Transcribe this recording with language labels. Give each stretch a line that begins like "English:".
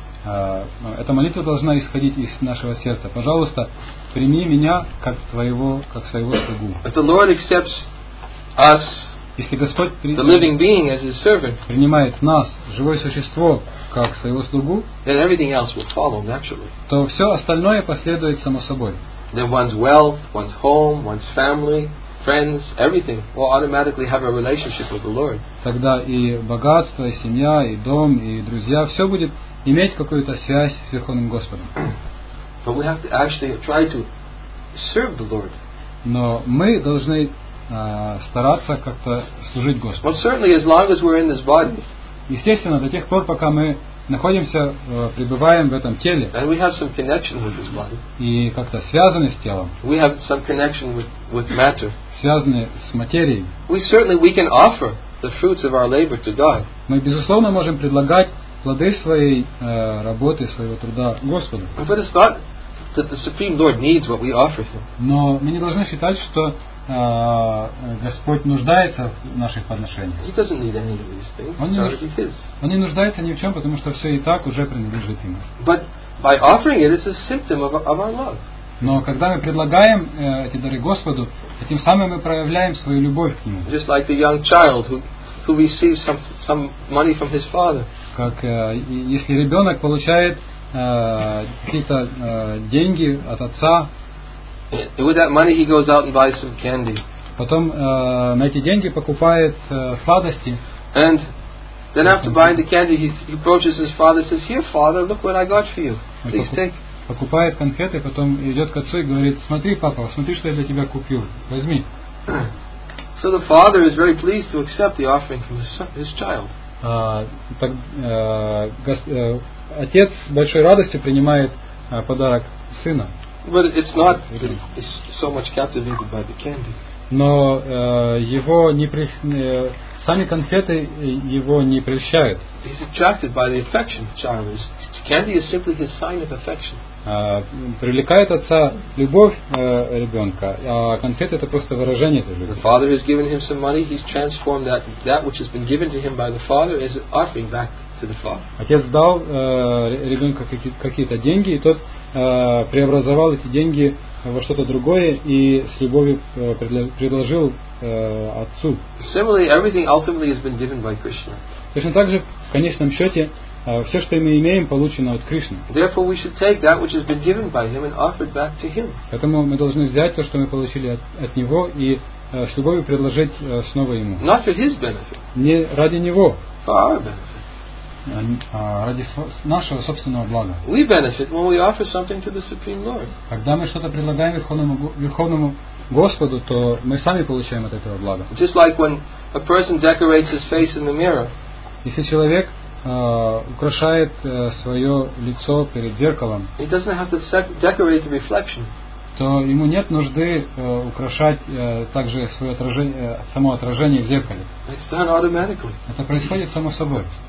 Russian: Эта молитва должна исходить из нашего сердца. Пожалуйста, прими меня как твоего, как своего слугу.
English: If the Lord accepts us,
Russian: если Господь
English: the living being as his servant,
Russian: принимает нас, живое существо, как своего слугу,
English: then everything else will follow naturally.
Russian: То все остальное последует само собой.
English: Then one's wealth, one's home, one's family, friends, everything will automatically have a relationship with the Lord.
Russian: Тогда и богатство, и семья, и дом, и друзья, все будет иметь какую-то связь с Верховным Господом.
English: But we have to actually try to serve the Lord.
Russian: Но мы должны стараться как-то служить Господу.
English: Well, certainly, as long as we're in this body.
Russian: Естественно, до тех пор, пока мы находимся, пребываем в этом теле.
English: And we have some connection with this body.
Russian: И как-то связаны с телом.
English: We have some connection with matter.
Russian: Связаны с материей.
English: We can offer the fruits of our labor to God.
Russian: Мы безусловно можем предлагать плоды своей работы, своего труда Господу.
English: But it's not that the Supreme Lord needs what we offer him.
Russian: Но мы не должны считать, что Господь нуждается в наших подношениях.
English: He doesn't need any of these things. It's already his.
Russian: Он не нуждается ни в чем, потому что все и так уже принадлежит ему.
English: But by offering it, it's a symptom of our love.
Russian: Но когда мы предлагаем эти дары Господу, тем самым мы проявляем свою любовь к Нему.
English: Just like the young child who receives some money from his father.
Russian: Как если ребенок получает какие-то деньги от отца,
English: with that money he goes out and buys some candy.
Russian: Потом на эти деньги покупает сладости.
English: And then after buying the candy, he approaches his father, says, "Here, father, look what I got for you. Please take."
Russian: Покупает конфеты, потом идет к отцу и говорит: "Смотри, папа, смотри, что я для тебя купил. Возьми."
English: So the father is very pleased to accept the offering from his child.
Russian: Отец с большой радостью принимает подарок сына.
English: But it's not that he's so much captivated by the candy.
Russian: Но его не сами конфеты его не прельщают.
English: He's attracted by the affection the child is. Candy is simply his sign of affection.
Russian: Привлекает отца любовь ребенка, а конфеты это просто выражение этой любви.
English: The father has given him some money. He's transformed that which has been given to him by the father is offering back to the father.
Russian: Отец дал ребенку какие-то деньги, и тот преобразовал эти деньги во что-то другое и с любовью предложил отцу.
English: Similarly, everything ultimately has been given by Krishna.
Russian: Точно так же, в конечном счете, все, что мы имеем, получено от Кришны.
English: Therefore, we should take that which has been given by him and offer it back to him.
Russian: Поэтому мы должны взять то, что мы получили от него, и с любовью предложить снова ему.
English: Not for his benefit.
Russian: Не ради него.
English: For our benefit.
Russian: Ради нашего собственного блага.
English: We benefit when we offer something to the Supreme Lord.
Russian: Когда мы что-то предлагаем Верховному Господу, то мы сами получаем от этого блага.
English: Just like when a person decorates his face in the mirror.
Russian: Если человек украшает свое лицо перед зеркалом,
English: he doesn't have to decorate the reflection.
Russian: то ему нет нужды украшать также свое отражение, само отражение в зеркале.
English: It's done automatically.
Russian: Это происходит само собой.